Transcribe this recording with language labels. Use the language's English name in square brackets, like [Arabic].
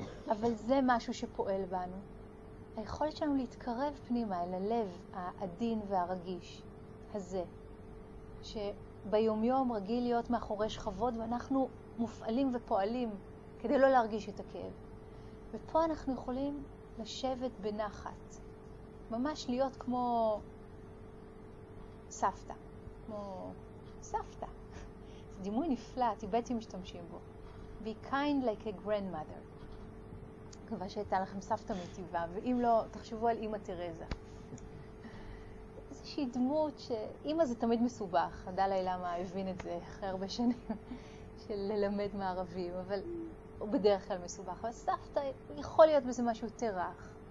[Hebrew] אבל זה משהו שפועל בנו. היכולת שלנו להתקרב פנימה אל הלב העדין והרגיש הזה, שביומיום רגיל להיות מאחורי שכבות, ואנחנו מופעלים ופועלים כדי לא להרגיש את הכאב. ופה אנחנו יכולים לשבת בנחת, ממש להיות כמו סבתא, כמו סבתא. זה דימוי נפלא, טיבטים משתמשים בו. [English] Be kind like a grandmother. [Hebrew] מקווה שהייתה לכם סבתא מטיבה, ואם לא, תחשבו על אמא תרזה. איזושהי דמות שאמא זה תמיד מסובך, עדה לילה מה הבין את זה אחרי הרבה שנים של ללמד מערבים, אבל הוא בדרך כלל מסובך. אבל סבתא יכול להיות בזה משהו תרח.